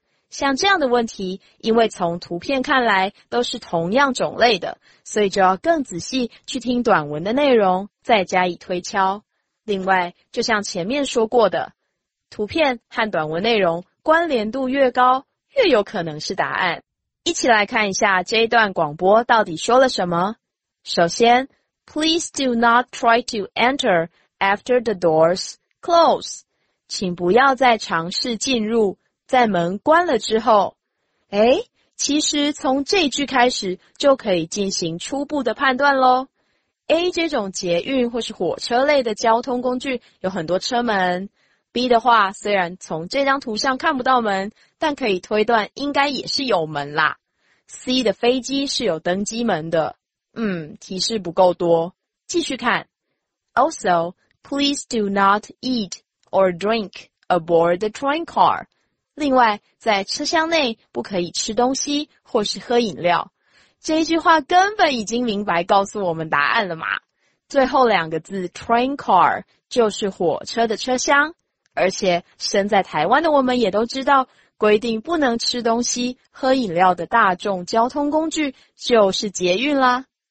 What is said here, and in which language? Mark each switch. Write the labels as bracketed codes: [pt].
[zh] 像这样的问题，因为从图片看来都是同样种类的，所以就要更仔细去听短文的内容，再加以推敲。另外，就像前面说过的，图片和短文内容关联度越高，越有可能是答案。一起来看一下这一段广播到底说了什么。首先 [en] ,please do not try to enter after the doors close. [zh] 请不要再尝试进入在门关了之后。诶，其实从这句开始就可以进行初步的判断咯。 A 这种捷运或是火车类的交通工具有很多车门。 B 的话虽然从这张图上看不到门，但可以推断应该也是有门啦。 C 的飞机是有登机门的。提示不够多。继续看。 [en] Also, please do not eat or drink aboard the train car. [zh] 另外在车厢内不可以吃东西或是喝饮料。这一句话根本已经明白告诉我们答案了嘛。最后两个字 train car 就是火车的车厢。而且身在台湾的我们也都知道，规定不能吃东西、喝饮料的大众交通工具就是捷运啦。